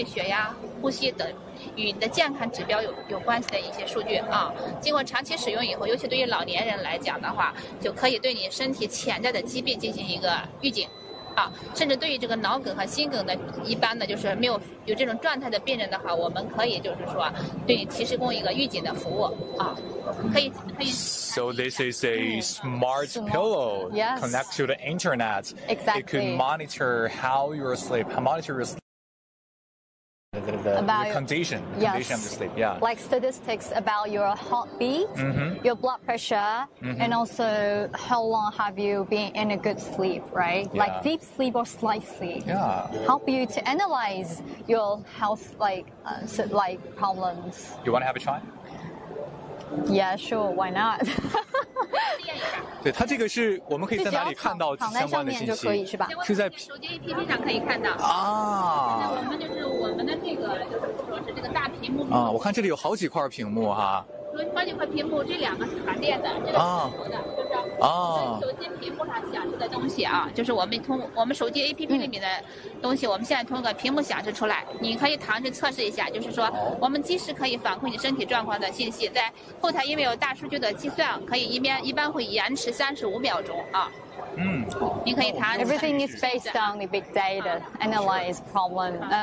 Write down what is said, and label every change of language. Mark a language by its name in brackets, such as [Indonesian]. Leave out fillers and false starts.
[Chinese] 这是我们那个公司新推出的智能床垫，智能床垫和智能睡的。我们这个枕头和普通的枕头的区别在于，我们的枕头里面加入了可传感，可压有压力的这个传感器，旁边是有这个物联网，可进行通讯的一个枕头，也就是说，这个枕头在夜晚，就是说是进行睡觉以后呢，可以监测你的睡眠状况、心率、血压、呼吸等。与你的健康指标有关系的一些数据啊，经过长期使用以后，尤其对于老年人来讲的话，就可以对你身体潜在的疾病进行一个预警，啊，甚至对于这个脑梗和心梗的，一般的就是没有有这种状态的病人的话，我们可以就是说对你提供一个预警的服务啊，可以。 [English] So this is a smart pillow connect to the internet. Exactly. It could monitor how you're asleep. The condition of the sleep, yeah. Like statistics about your heartbeat, your blood pressure, and also how long have you been in a good sleep, right? Yeah. Like deep sleep or slight sleep. Yeah. Help you to analyze your health, like problems. You want to have a try? Yeah, sure, why not? [Chinese] 对，它这个是我们可以在哪里看到相关的信息？是在手机 APP 上可以看到。啊。我们的这个大屏幕。我看这里有好几块屏幕哈。好几块屏幕，这两个是传电的，这个是手的，就是手机屏幕上显示的东西啊，就是我们手机 APP 里面的东西，我们现在通过屏幕显示出来，你可以尝试测试一下，就是说我们即时可以反馈你身体状况的信息，在后台因为有大数据的计算，可以一般会延迟35秒钟啊。 [English] Everything is based on the big data, analyze problem.